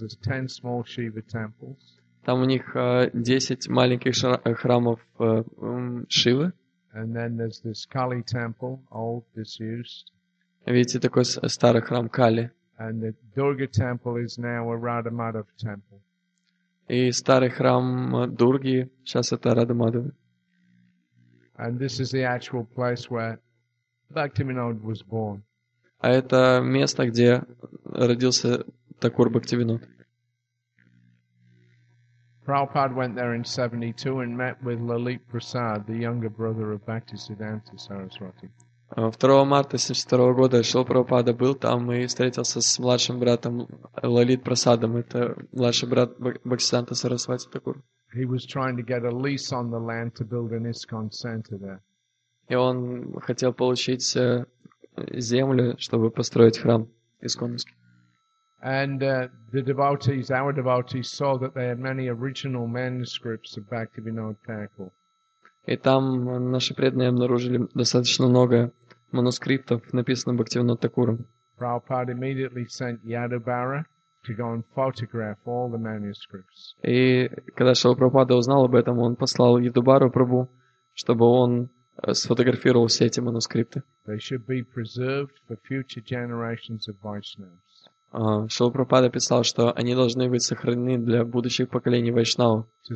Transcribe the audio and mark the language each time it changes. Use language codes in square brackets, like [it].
[en] There's 10 small Shiva temples. [ru] Там у них 10 маленьких храмов Шивы. [en] And then there's this Kali temple, old, disused. [ru] Видите, такой старый храм Кали. [en] And the Durga temple is now a Radhamadav temple. [ru] И старый храм Дурги сейчас это Радхамадав. [en] And this is the actual place where Bhaktivinoda was born. [ru] А это место, где родился Такур Бхактивинод. [en] Prabhupada went there in 72 and met with Lalit Prasad, the younger brother of Bhaktisiddhanta Saraswati. [ru] 2 марта 72 года Шрила Прабхупада был там и встретился с младшим братом Лалит Прасадом. Это младший брат Бхактисиддханта Сарасвати Такур. [en] He was trying to get a lease on the land to build an ISKCON center there. [ru] И он хотел получить землю, чтобы построить храм исконский. [en] And the devotees, our devotees, saw that they had many original manuscripts of Bhaktivinoda Thakur. [ru] И там наши преданные обнаружили достаточно много манускриптов, написанных Бхактивинодой Такуром. [en] Prabhupada immediately sent Yadubara to go and photograph all the manuscripts. [ru] И когда Шрила Прабхупада узнал об этом, он послал Ядубару Прабу, чтобы он сфотографировал все эти манускрипты. [en] They should be preserved for future generations of Vaishnavas. [ru] Шрила Прабхупада писал, что они должны быть сохранены для будущих поколений вайшнав.